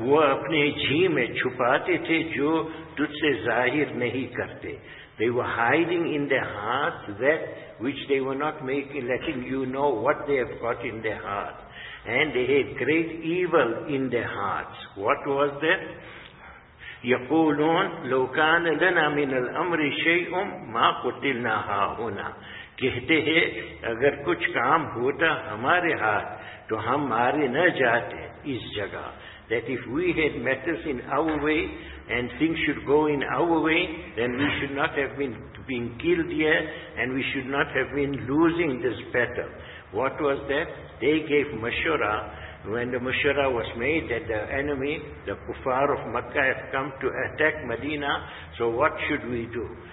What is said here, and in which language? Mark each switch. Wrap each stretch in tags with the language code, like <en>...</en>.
<ur>وہ اپنے جی میں چھپاتے تھے جو تجھ سے ظاہر نہیں کرتے.</ur> <en>They were hiding in their hearts that which they were not making, letting you know what they have got in their hearts. And they had great evil in their hearts. What was that?</en> <ar>يقولون لو كان لنا من الأمر شيء ما قتلنا هاهنا.</ar> <ur>کہتے ہیں اگر کچھ کام ہوتا ہمارے ہاتھ تو ہم مارے نہ جاتے اس جگہ.</ur> <en>That if we had matters in our way and things should go in our way, then we should not have been killed here and we should not have been losing this battle. What was that? They gave mashura when the Mushura was made that the enemy, the Kufar of Makkah, have come to attack Medina, so what should we do?</en>